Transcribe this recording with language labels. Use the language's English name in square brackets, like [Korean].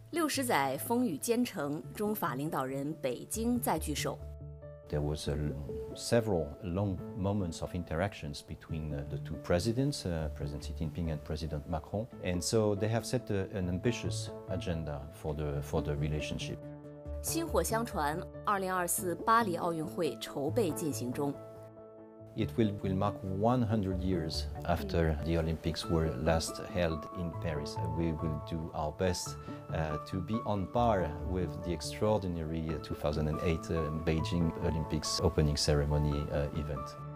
[Chinese] 十载风雨兼程，中法领导人北京再聚首。 [English] There was several long moments of interactions between the two presidents, President Xi Jinping and President Macron, and so they have set an ambitious agenda for the relationship. [Chinese] 薪火相传，2024巴黎奥运会筹备进行中。 [English] It will mark 100 years after the Olympics were last held in Paris. We will do our best to be on par with the extraordinary 2008 Beijing Olympics opening ceremony event.